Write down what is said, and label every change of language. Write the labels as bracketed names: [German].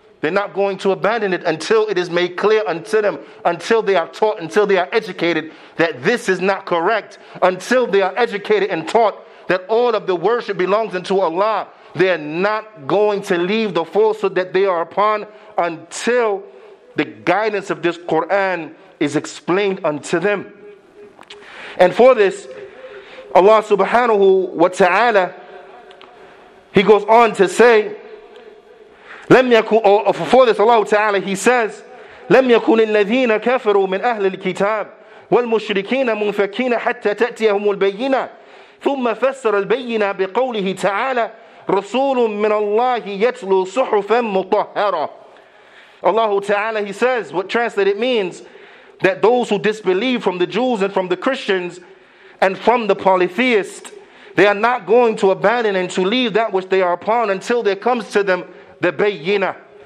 [English] They're not going to abandon it until it is made clear unto them, until they are taught, until they are educated that this is not correct, until they are educated and taught that all of the worship belongs unto Allah. They're not going to leave the falsehood that they are upon until the guidance of this Quran is explained unto them. And for this, Allah subhanahu wa ta'ala, he goes on to say, [Arabic] لم يكن [English] for this Allah Ta'ala he says [Arabic] لم يكن الذين كفروا من أهل الكتاب والمشركين منفكين حتى تأتيهم البينة ثم فسر البينة بقوله تعالى رسول من الله يتلو صحفا مطهرة. [English] Allah Ta'ala he says, what translated it means that those who disbelieve from the Jews and from the Christians and from the polytheists, they are not going to abandon and to leave that which they are upon until there comes to them the bayyinah.